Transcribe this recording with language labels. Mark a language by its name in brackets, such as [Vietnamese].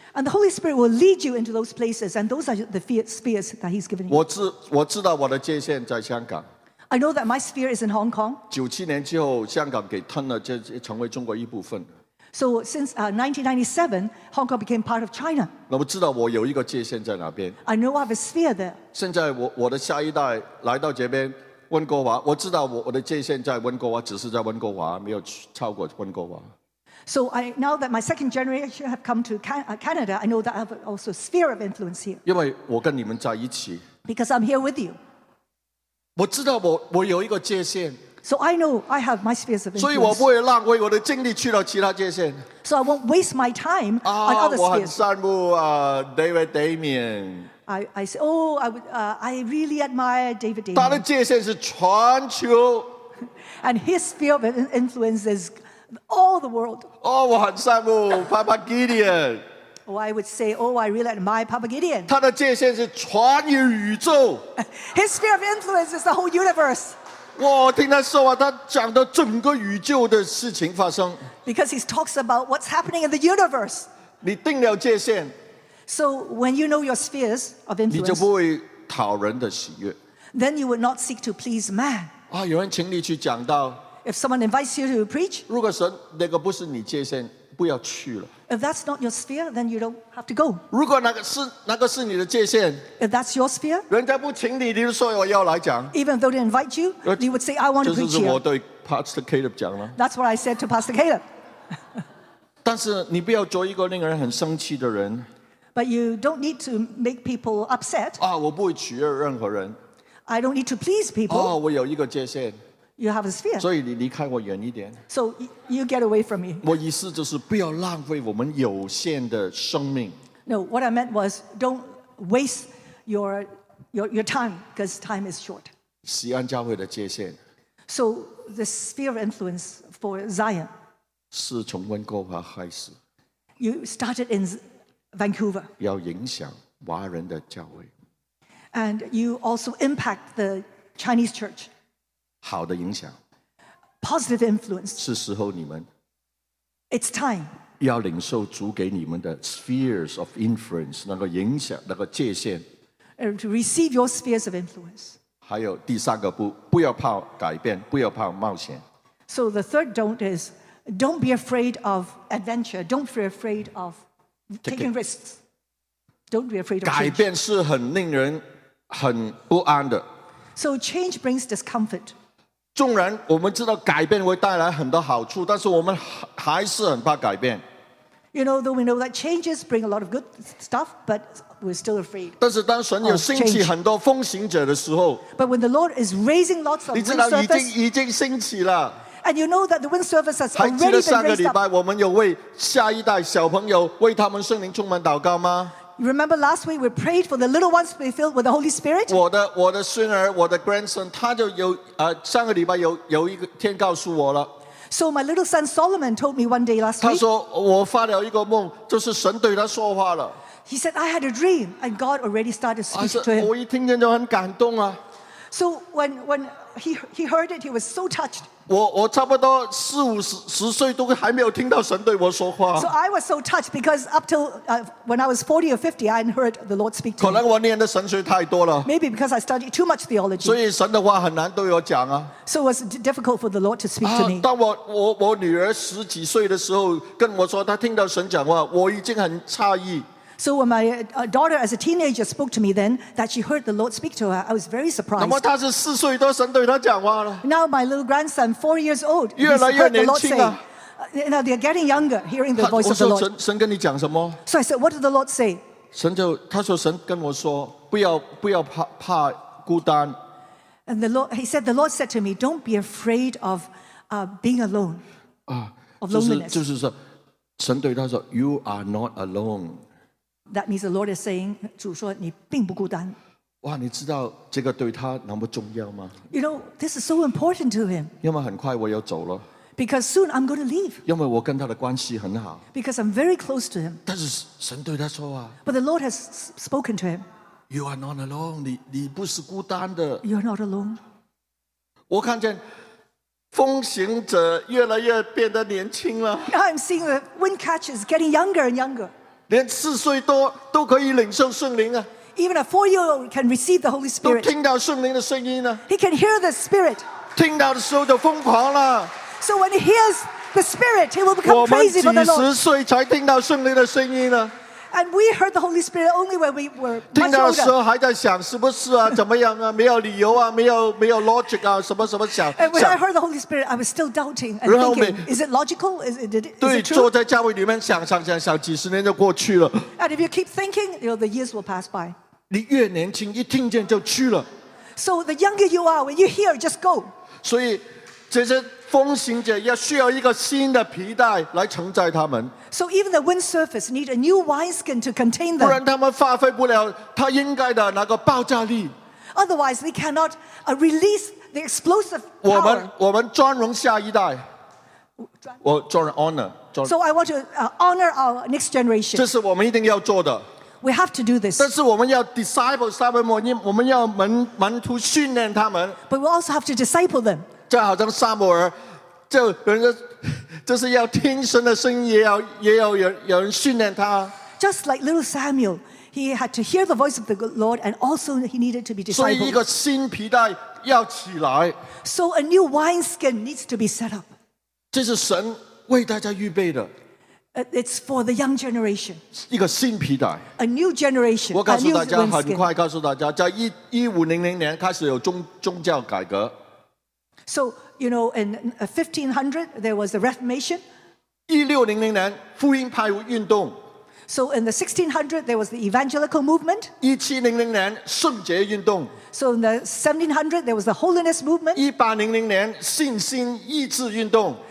[English] And the Holy Spirit will lead you into those places, and those are the spheres that He's given you. [Chinese] 我知道我的界限在香港。 [English] I know that my sphere is in Hong Kong. [Chinese] 97年之后，香港给吞了，就成为中国一部分。 [English] So since 1997, Hong Kong became part of China. [Chinese] 那我知道我有一个界限在哪边。 [English] I know I have a sphere there. [Chinese] 现在我的下一代来到这边温哥华，我知道我的界限在温哥华，只是在温哥华，没有超过温哥华。 [English] So I now that my second generation have come to Canada, I know that I have also a sphere of influence here. [Chinese] 因为我跟你们在一起。 [English] Because I'm here with you. [Chinese] 我知道我有一个界限， [English] so I know I have my spheres of influence. [Chinese] 所以我不会浪费我的精力去到其他界限， [English] so I won't waste my time on other spheres. [Chinese] 我很羡慕 David Damien. [English] I say, oh, I really admire David Damien. [Chinese] 他的界限是全球， [English] and his sphere of influence is all the world. [Chinese] 我很羡慕 Papa Gideon. [English] Oh, I would say, oh, I really admire Papa Gideon. [Chinese] 他的界限是全宇宙。 [English] His sphere of influence is the whole universe. [Chinese] 我听他说话，他讲到整个宇宙的事情发生。 [English] Because he talks about what's happening in the universe. [Chinese] 你定了界限。 [English] So when you know your spheres of influence, [Chinese] 你就不会讨人的喜悦。 [English] Then you would not seek to please man. [Chinese] 有人请你去讲道。 [English] If someone invites you to preach, [Chinese] 如果说那个不是你界限， 不要去了。 [English] If that's not your sphere, then you don't have to go. [Chinese] 如果那个是你的界限， [English] if that's your sphere, [Chinese] 人家不请你， 你就说我要来讲。 [English] Even though they invite you, you would say, I want to preach here. [Chinese] 这是我对 Pastor Caleb 讲了。 [English] That's what I said to Pastor Caleb. [Chinese] 但是你不要做一个令人很生气的人。 [English] But you don't need to make people upset. [Chinese] 我不会取悦任何人。 [English] I don't need to please people. [Chinese] 我有一个界限。 [English] You have a sphere. [Chinese] 所以你离开我远一点。 [English] So you get away from me. [Chinese] 我意思就是不要浪费我们有限的生命。 [English] No, what I meant was don't waste your time, because time is short. [Chinese] 西安教会的界限。 [English] So the sphere of influence for Zion. [Chinese] 是从温哥华开始。 [English] You started in Vancouver. [Chinese] 要影响华人的教会。 [English] And you also impact the Chinese church. [Chinese] 好的影响， [English] positive influence. [Chinese] 是时候你们， [English] it's time. [Chinese] 要领受主给你们的 [English] spheres of influence， [Chinese] 那个影响，那个界限， [English] and to receive your spheres of influence. [Chinese] 还有第三个不， 不要怕改变， 不要怕冒险。 [English] So the third don't is, don't be afraid of adventure. Don't be afraid of taking risks. Don't be afraid of change. [Chinese] 改变是很令人很不安的。 [English] So change brings discomfort. [Chinese] 纵然我们知道改变会带来很多好处，但是我们还是很怕改变。 [English] You know, though we know that changes bring a lot of good stuff, but we're still afraid. [Chinese] 但是当神又兴起很多风行者的时候, [English] but when the Lord is raising lots of windsurfers, [Chinese] 已经兴起了。 [English] And you know that the windsurfers has already been raised up. [Chinese] 还记得上个礼拜我们有为下一代小朋友为他们圣灵充满祷告吗? [English] You remember last week we prayed for the little ones to be filled with the Holy Spirit? [Chinese] 我的孙儿，我的 grandson, 他就有上个礼拜有一个天告诉我了。 [English] So my little son Solomon told me one day last week. [Chinese] 他说我发了一个梦，就是神对他说话了。 [English] He said I had a dream and God already started speaking to him. [Chinese] 我一听见就很感动啊。 [English] So when he heard it, he was so touched. [Chinese] 我差不多四五十岁都还没有听到神对我说话。 [English] So I was so touched because up till when I was 40 or 50, I hadn't heard the Lord speak to me. [Chinese] 可能我念的神学太多了。 [English] Maybe because I studied too much theology. [Chinese] 所以神的话很难对我讲啊。 [English] So it was difficult for the Lord to speak to me. [Chinese] 当我女儿十几岁的时候跟我说她听到神讲话，我已经很诧异。 [English] So when my daughter as a teenager spoke to me then that she heard the Lord speak to her, I was very surprised. [Chinese] 那么她是四岁多神对她讲话了。 [English] Now my little grandson, 4 years old, he's heard the Lord say. [Chinese] 越来越年轻了。 [English] Now they're getting younger, hearing the voice of the Lord. [Chinese] 神跟你讲什么? [English] So I said, what did the Lord say? [Chinese] 他说神跟我说不要怕孤单。 [English] And the Lord said to me, don't be afraid of being alone, of loneliness. [Chinese] 就是说神对他说 [English] you are not alone. That means the Lord is saying, [Chinese] 主说你并不孤单。哇，你知道这个对他那么重要吗？ [English] You know, this is so important to him. [Chinese] 因为很快我要走了。 [English] Because soon I'm going to leave. [Chinese] 因为我跟他的关系很好。 [English] Because I'm very close to him. [Chinese] 但是神对他说啊。 [English] But the Lord has spoken to him. You are not alone. [Chinese] 你不是孤单的。 [English] You're not alone. [Chinese] 我看见风行者越来越变得年轻了。 [English] Now I'm seeing the wind catchers getting younger and younger. [Chinese] 连四岁多都可以领受圣灵啊 [English] ！Even a four-year-old can receive the Holy Spirit. [Chinese] 都听到圣灵的声音呢、啊、 [English] ？He can hear the Spirit. [Chinese] 听到的时候就疯狂了。 [English] So when he hears the Spirit, he will become crazy for the Lord. [Chinese] 我们几十岁才听到圣灵的声音呢、啊、 [English] ？And we heard the Holy Spirit only when we were much older. [Chinese] 听到的时候还在想是不是啊？怎么样啊？没有理由啊？没有 logic 啊？什么什么想 [English] ？And when I heard the Holy Spirit, I was still doubting and thinking, is it logical? Is it true? [Chinese] 坐在教会里面想几十年就过去了。 [English] And if you keep thinking, you know, the years will pass by. [Chinese] 你越年轻，一听见就去了。 [English] So the younger you are, when you hear, just go. [Chinese] 所以这些风行者要需要一个新的皮带来承载他们。 [English] So even the windsurfers need a new wineskin to contain them. [Chinese] 不然他们发挥不了他应该的那个爆炸力。 [English] Otherwise, they cannot release the explosive power. [Chinese] 我们尊荣下一代。我尊荣 honor. [English] So I want to honor our next generation. [Chinese] 这是我们一定要做的。 [English] We have to do this. [Chinese] 但是我们要 disciple 他们，我们要门徒训练他们。 [English] But we also have to disciple them. [Chinese] 就好像撒母耳，就人家就是要听神的声音，也要有人训练他。 [English] Just like little Samuel, he had to hear the voice of the Lord, and also he needed to be discipled. [Chinese] 所以一个新皮带要起来。 [English] So a new wineskin needs to be set up. [Chinese] 这是神为大家预备的。 [English] It's for the young generation. [Chinese] 一个新皮带。 [English] A new generation. [Chinese] 我告诉大家，很快告诉大家，在1500年开始有宗教改革。 [English] So, you know, in 1500, there was the Reformation. [Chinese] 1600年福音派运动。 [English] So in the 1600, there was the Evangelical Movement. [Chinese] 1700年圣洁运动。 [English] So in the 1700, there was the Holiness Movement. [Chinese] 1800年信心医治运动。